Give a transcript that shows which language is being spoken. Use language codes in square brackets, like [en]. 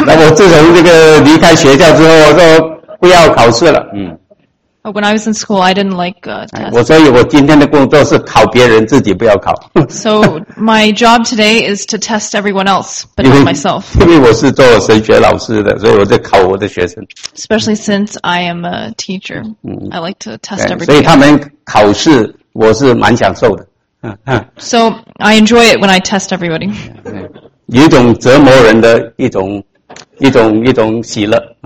[zh] 那我自从这个离开学校之后，我说不要考试了。 [en] When I was in school, I didn't like tests. [zh] 我所以，我今天的工作是考别人，自己不要考。 [en] So my job today is to test everyone else, but not myself. [zh] 因为我是做神学老师的，所以我在考我的学生。 [en] Especially since I am a teacher, I like to test everyone. [zh] 所以他们考试，我是蛮享受的。 [en] So I enjoy it when I test everybody. [zh] 有一种折磨人的一种喜乐。